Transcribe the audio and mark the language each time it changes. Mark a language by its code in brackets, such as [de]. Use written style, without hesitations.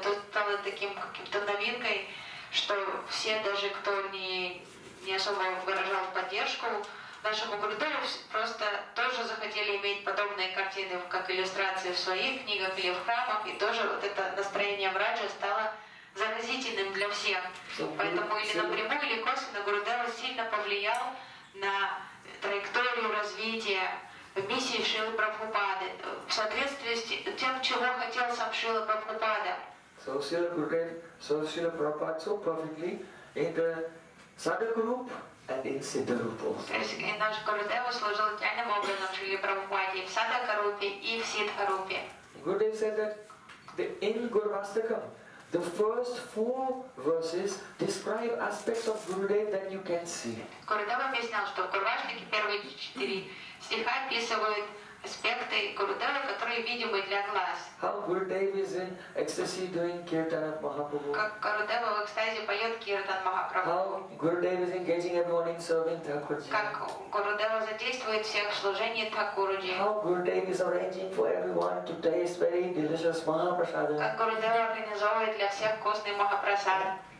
[ru] И тут стало таким каким-то новинкой, что все, даже кто не особо выражал поддержку нашему Гурудеву, просто тоже захотели иметь подобные картины, как иллюстрации в своих книгах или в храмах. И тоже вот это настроение в Раджа стало заразительным для всех. Поэтому или напрямую, или косвенно Гурудеву сильно повлиял на траекторию развития миссии Шрилы Прабхупады в соответствии с тем, чего хотел сам Шрила Прабхупада. [en] So Srila Gurudev saw Srila Prabhupada so perfectly in the Sadhu group and in Siddha group also. [ru] И наш Гурудев служил идеальным образом Шриле Прабхупаде в Sadhu group и в Siddha group. [en] Gurudev said that the in Gurvastakam, the first four verses describe aspects of Gurudev that you can see. [ru] Gurudev объяснял, что в Курваштике первые четыре стиха описывают аспекты Гурудева, которые видимы для глаз. [en] How Gurudev is in ecstasy doing kirtan at Mahaprabhu. [ru] Как Гурудева в экстазе поет киртан Махапрабху. [en] How Gurudev is engaging everyone in serving Thakurji. [ru] Как Гурудева задействует всех в служении Thakurji. [en] How Gurudev is arranging for everyone to taste very delicious Mahaprasada. [ru] Как Гурудева организовывает для всех вкусный Махапрасад.